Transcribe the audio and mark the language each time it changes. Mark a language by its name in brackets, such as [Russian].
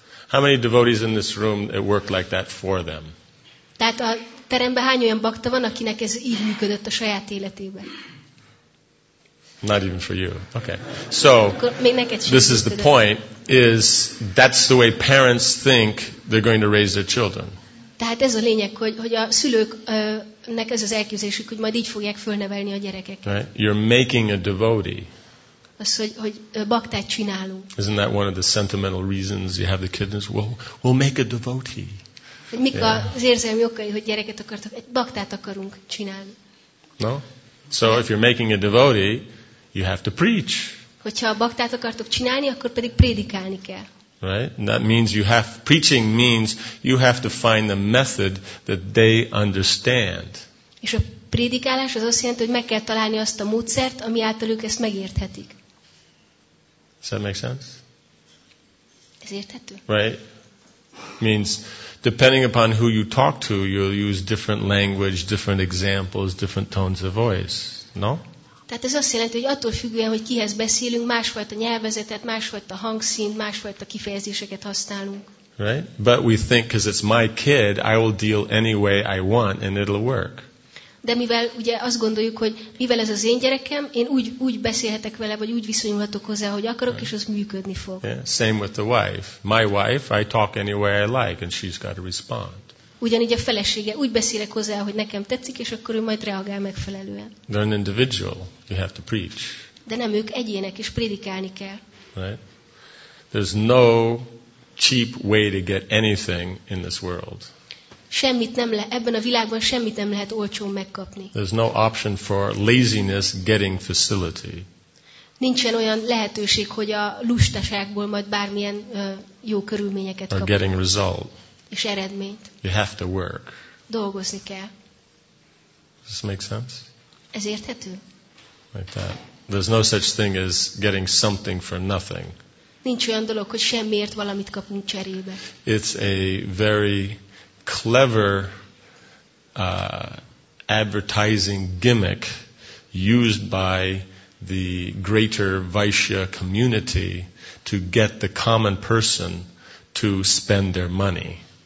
[English] How many devotees in this room it worked like that for them? [Hungarian] Tehát a teremben hány olyan bakta van, akinek ez így működött a saját életében? [English] Not even for you. Okay. So, this is the point, is that's the way parents think they're going to raise their children. [Hungarian] Tehát ez a lényeg, hogy a szülőknek ez az elképzelésük, hogy majd így fogják fölnevelni a gyerekeket. [English] Right? You're making a devotee. [Hungarian] Az, hogy baktát csinálunk. [English] Isn't that one of the sentimental reasons you have the kids? We'll make a devotee. [Hungarian] Hogy mik az érzelmi okai, hogy gyereket akartok, egy baktát akarunk csinálni. [English] No? So if you're making a devotee, you have to preach. [Hungarian] Hogyha a baktát akartok csinálni, akkor pedig prédikálni kell. [English] Right? And that means preaching means you have to find the method that they understand. [Hungarian] És a prédikálás az azt jelenti, hogy meg kell találni azt a módszert, ami által ők ezt megérthetik. [English] Does that make sense? [Hungarian] Ez érthető? [English] Right? Means depending upon who you talk to, you'll use different language, different examples, different tones of voice. No? [Hungarian] Tehát ez azt jelenti, hogy attól függően, hogy kihez beszélünk, másfajta nyelvezetet, másfajta hangszínt, másfajta kifejezéseket használunk. [English] Right? But we think, because it's my kid, I will deal any way I want, and it'll work. [Hungarian] De mivel ugye azt gondoljuk, hogy mivel ez az én gyerekem, én úgy beszélhetek vele, vagy úgy viszonyulhatok hozzá, hogy akarok, right. És az működni fog. [English] Yeah. Same with the wife. My wife, I talk any way I like, and she's got to respond. [Hungarian] Ugyanígy a felesége, úgy beszélek hozzá, hogy nekem tetszik, és akkor ő majd reagál megfelelően. [English] They're an individual. You have to preach. [Hungarian] De nem ők egyének, és prédikálni kell. [English] Right? There's no cheap way to get anything in this world. [Hungarian] Ebben a világban semmit nem lehet olcsón megkapni. [English] There's no option for laziness getting facility. [Hungarian] Nincsen olyan lehetőség, hogy a lustaságból majd bármilyen jó körülményeket kapunk. [English] Or getting result. [Hungarian] És eredményt. [English] You have to work. [Hungarian] Dolgozni kell. [English] Does this make sense? [Hungarian] Ez érthető? [English] Like that. There's no such thing as getting something for nothing. [Hungarian] Nincs olyan dolog, hogy semmiért valamit kapunk cserébe. [English] It's a very clever advertising gimmick used by the greater Vaishya community to get the common person to spend their money.